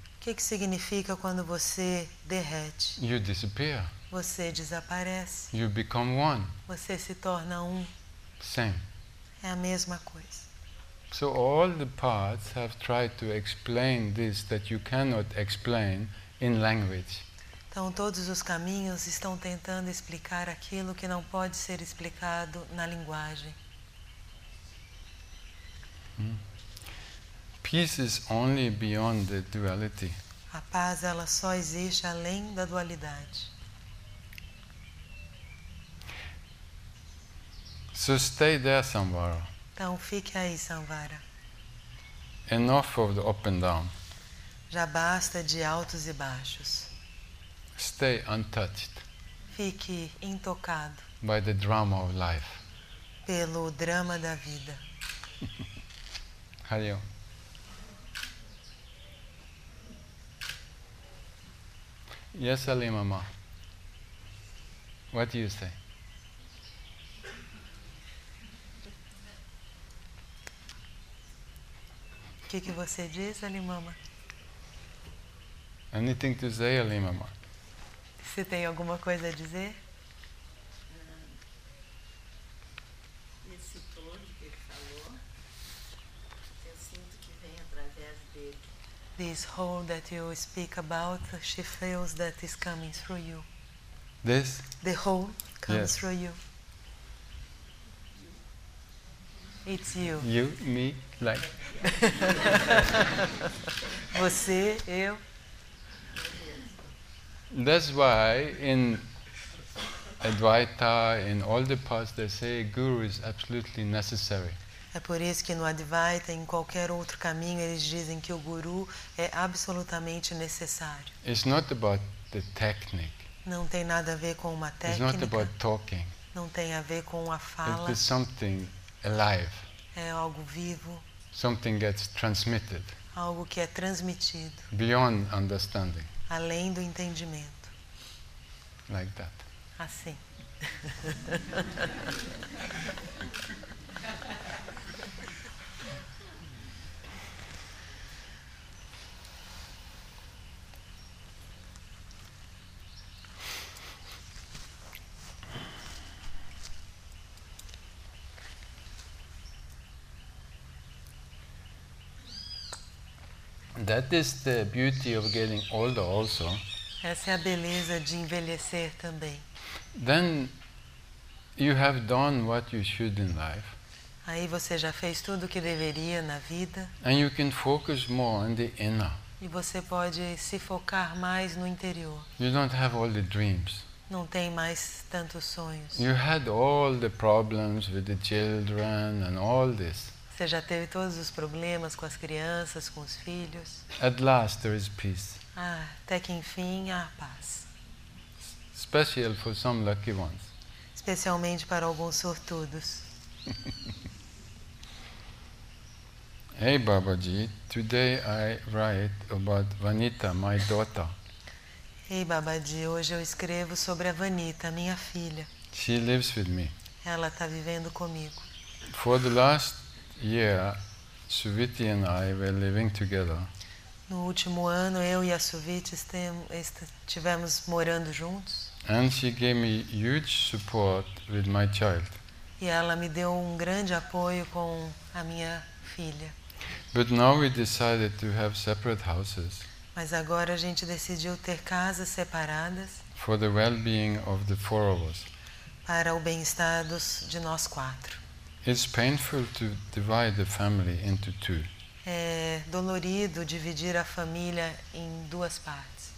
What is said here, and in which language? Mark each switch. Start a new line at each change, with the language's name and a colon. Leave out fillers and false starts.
Portuguese: O que significa quando você derrete?
English: You disappear.
Portuguese: Você desaparece.
English: You become one.
Portuguese: Você se torna um.
English: Same.
Portuguese: É a mesma coisa.
English: So all the paths have tried to explain this that you cannot explain in language.
Portuguese: Então todos os caminhos estão tentando explicar aquilo que não pode ser explicado na linguagem.
English: Peace is only beyond the duality.
Portuguese: A paz ela só existe além da dualidade.
English: So stay there, Samvara.
Portuguese: Então fique aí, Samvara.
English: Enough of the up and down.
Portuguese: Já basta de altos e baixos.
English: Stay untouched.
Portuguese: Fique intocado.
English: By the drama of life.
Portuguese: Pelo drama da vida. Hariom.
English: Yes, Ali Mama. What do you say?
Portuguese: Que você diz, Ali Mama?
English: Anything to say, Ali Mama?
Portuguese: Você tem alguma coisa a dizer? Nesse tom que ele falou, eu sinto que vem através dele.
English: This hole that you speak about, she feels that is coming through you. This? The hole comes yes. through you. It's you. You, me, like.
Portuguese: Você, eu.
English: That's why in Advaita, in all the paths, they say guru is absolutely necessary.
Portuguese: É por isso que no Advaita, em qualquer outro caminho, eles dizem que o guru é absolutamente necessário.
English: It's not about the technique.
Portuguese: Não tem nada a ver com uma técnica.
English: It's not about talking.
Portuguese: Não tem a ver com a fala.
English: It's something alive.
Portuguese: É algo vivo.
English: Something gets transmitted.
Portuguese: Algo que é transmitido.
English: Beyond understanding.
Portuguese: além do entendimento.
English: Like that.
Portuguese: Assim.
English: That is the beauty of getting older also.
Portuguese: Essa é a beleza de envelhecer também.
English: Then you have done what you should in life.
Portuguese: Aí você já fez tudo o que deveria na vida.
English: And you can focus more on the inner.
Portuguese: E você pode se focar mais no interior.
English: You don't have all the dreams.
Portuguese: Não tem mais tantos sonhos.
English: You had all the problems with the children and all this.
Portuguese: Você já teve todos os problemas com as crianças, com os filhos.
English: At last there is peace.
Portuguese: Ah, até que enfim há paz.
English: Especially for some lucky ones.
Portuguese: Especialmente para alguns sortudos.
English: Hey Babaji, today I write about Vanita, my daughter.
Portuguese: Hey Babaji, hoje eu escrevo sobre a Vanita, minha filha.
English: She lives with me.
Portuguese: Ela está vivendo comigo.
English: For the last year, Suviti and I were living together.
Portuguese: No último ano, eu e a Suviti estivemos morando juntos.
English: And she gave me huge support with my child.
Portuguese: E ela me deu um grande apoio com a minha filha.
English: But now we decided to have separate houses.
Portuguese: Mas agora a gente decidiu ter casas separadas.
English: For the well-being of the four of us.
Portuguese: Para o bem-estar de nós quatro.
English: It's painful to divide the family into two.
Portuguese: É dolorido dividir a família em duas partes.